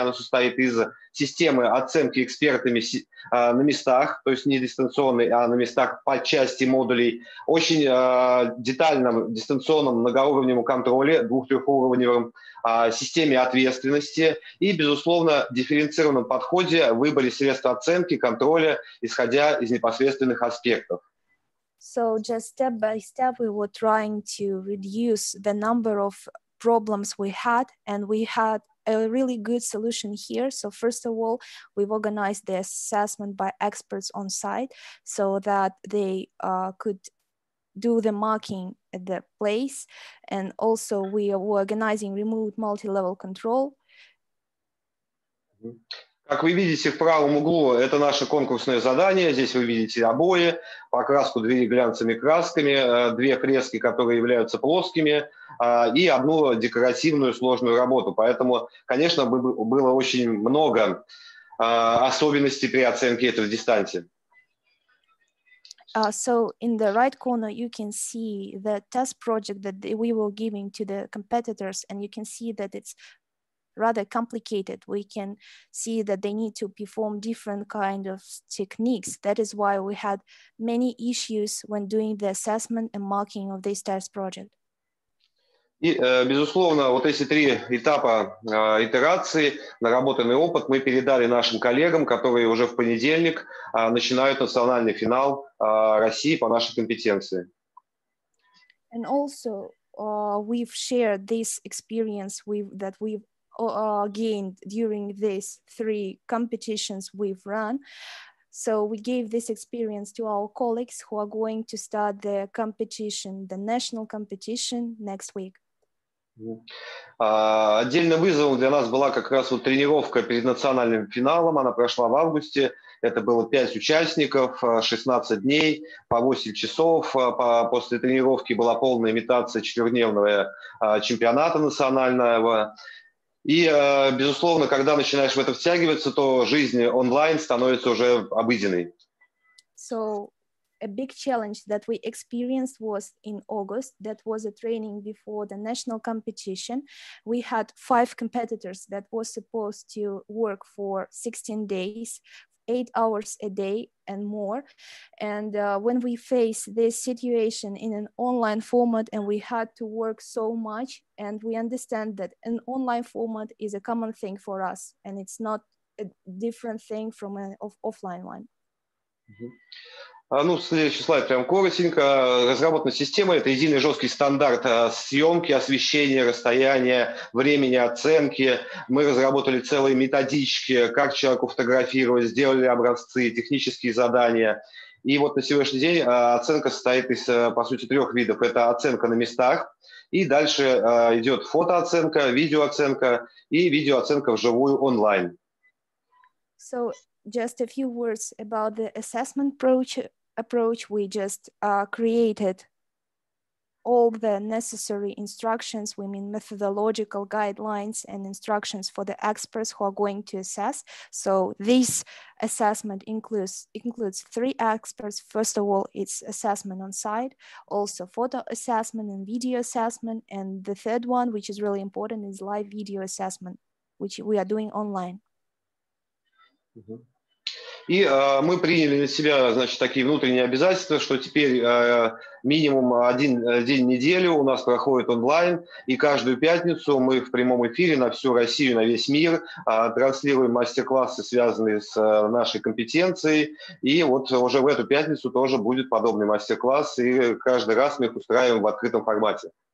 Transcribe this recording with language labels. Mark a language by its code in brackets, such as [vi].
[ru] Оно состоит из системы оценки экспертами на местах, то есть не дистанционной, а на местах по части модулей, очень детальном дистанционном многоуровневом контроле, двух-трехуровневом системе ответственности и, безусловно, дифференцированном подходе в выборе средств оценки, контроля, исходя из непосредственных аспектов. [en] So just step by step we were trying to reduce the number of problems we had, and we had a really good solution here. So first of all, we've organized the assessment by experts on site so that they could do the marking at the place. And also we are organizing remote multi-level control. [ru] Как вы видите, в правом углу это наше конкурсное задание. Здесь вы видите обои, покраску двери глянцевыми красками, две фрески, которые являются плоскими, и одну декоративную сложную работу. Поэтому, конечно, было очень много особенностей при оценке этой дистанции. [en] So in the right corner, you can see the test project that we were giving to the competitors, and you can see that it's rather complicated. We can see that they need to perform different kind of techniques. That is why we had many issues when doing the assessment and marking of this test project. [ru] И, безусловно, вот эти три этапа итерации, наработанный опыт мы передали нашим коллегам, которые уже в понедельник начинают национальный финал России по нашей компетенции. [en] And also we've shared this experience that we've gained during these three competitions we've run. So we gave this experience to our colleagues who are going to start the competition, the national competition next week. [ru] Отдельным вызовом для нас была как раз вот тренировка перед национальным финалом. Она прошла в августе. Это было 5 участников, 16 дней, по 8 часов. После тренировки была полная имитация 4-дневного чемпионата национального. И, безусловно, когда начинаешь в это втягиваться, то жизнь онлайн становится уже обыденной. [en] So a big challenge that we experienced was in August. That was a training before the national competition. We had 5 competitors that were supposed to work for 16 days, 8 hours a day and more. And when we faced this situation in an online format and we had to work so much, and we understand that an online format is a common thing for us and it's not a different thing from an offline one. Mm-hmm. [ru] Ну, следующий слайд прям коротенько. Разработана система – это единый жесткий стандарт съемки, освещения, расстояния, времени оценки. Мы разработали целые методички, как человеку фотографировать, сделали образцы, технические задания. И вот на сегодняшний день оценка состоит из, по сути, трех видов. Это оценка на местах, и дальше идет фотооценка, видеооценка и видеооценка вживую онлайн. [en] So just a few words about the assessment approach. We just created all the necessary instructions, we mean methodological guidelines and instructions for the experts who are going to assess. So this assessment includes three experts. First of all, it's assessment on site, also photo assessment and video assessment. And the third one, which is really important, is live video assessment, which we are doing online. Mm-hmm. [ru] И мы приняли на себя, значит, такие внутренние обязательства, что теперь минимум один день в неделю у нас проходит онлайн, и каждую пятницу мы в прямом эфире на всю Россию, на весь мир транслируем мастер-классы, связанные с нашей компетенцией, и вот уже в эту пятницу тоже будет подобный мастер-класс, и каждый раз мы их устраиваем в открытом формате.